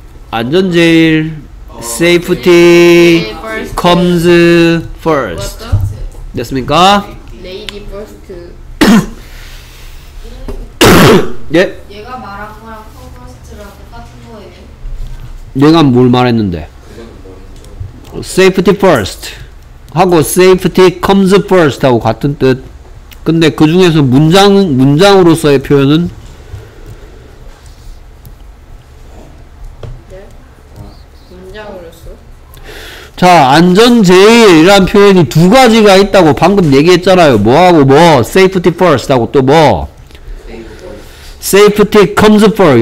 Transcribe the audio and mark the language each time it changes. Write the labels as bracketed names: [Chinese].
[Korean] 안전 제일. [English] safety comes first. [Korean] 됐습니까? [English] lady first. [Korean] 예? 얘가 말한 거랑 first랑 똑같은 거예요? 얘가 뭘 말했는데? [English] safety first [Korean] 하고 [English] safety comes first [Korean] 하고 같은 뜻. 근데 그 중에서 문장으로서의 표현은 자, 안전 제일이란 표현이 두 가지가 있다고 방금 얘기했잖아요. 뭐하고 뭐, [English] safety first [Korean] 하고 또 뭐 [English] safety comes first.